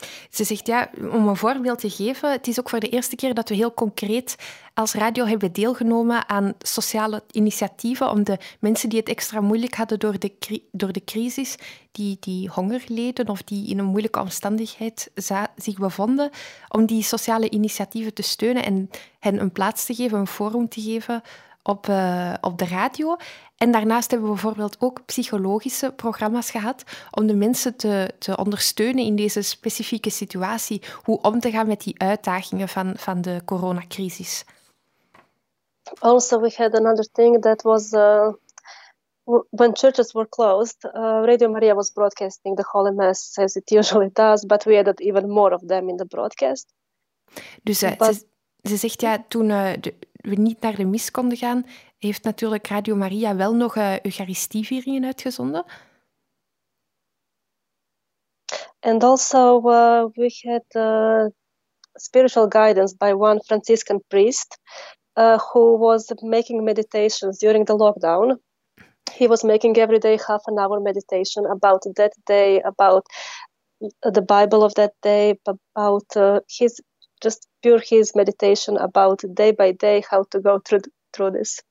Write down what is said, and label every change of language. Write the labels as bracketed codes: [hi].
[nl] Ze zegt, ja, om een voorbeeld te geven, het is ook voor de eerste keer dat we heel concreet als radio hebben deelgenomen aan sociale initiatieven om de mensen die het extra moeilijk hadden door de crisis, die honger leden of die in een moeilijke omstandigheid zich bevonden, om die sociale initiatieven te steunen en hen een plaats te geven, een forum te geven op de radio. En daarnaast hebben we bijvoorbeeld ook psychologische programma's gehad om de mensen te ondersteunen in deze specifieke situatie, hoe om te gaan met die uitdagingen van de coronacrisis. [en] Also, we had another thing that was when churches were closed, Radio Maria was broadcasting the Holy Mass as it usually does, but we added even more of them in the broadcast. [nl] Dus ze zegt ja, toen we niet naar de mis konden gaan, heeft natuurlijk Radio Maria wel nog Eucharistievieringen uitgezonden. [en] And also we had spiritual guidance by one Franciscan priest who was making meditations during the lockdown. He was making every day half an hour meditation about that day, about the Bible of that day, about his just pure his meditation about day by day how to go through this.